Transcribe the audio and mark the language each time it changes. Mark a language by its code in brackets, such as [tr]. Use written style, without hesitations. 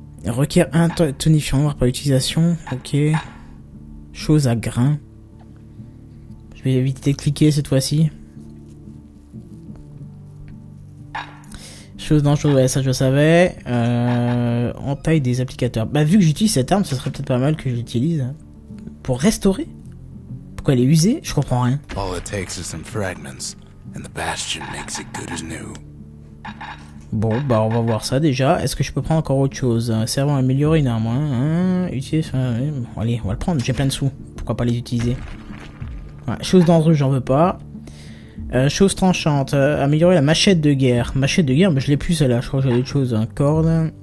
[fr] Requiert un tonifiant noir par utilisation. Ok. Chose à grain. Je vais éviter de cliquer cette fois-ci. Chose dangereuse, ouais, ça je savais. On taille des applicateurs. Bah vu que j'utilise cette arme, ce serait peut-être pas mal que j'utilise. Pour restaurer. Pourquoi elle est usée? Je comprends rien. [en] All it takes is some fragments, and the bastion makes it good as new. [fr] Bon, bah on va voir ça déjà. Est-ce que je peux prendre encore autre chose? Servant amélioré, néanmoins. Hein, utiliser ça. Bon, allez, on va le prendre. J'ai plein de sous. Pourquoi pas les utiliser? Ouais, chose dangereuse, j'en veux pas. Chose tranchante. Améliorer la machette de guerre. Machette de guerre, mais je l'ai plus celle-là. Je crois que j'ai autre chose. Corde.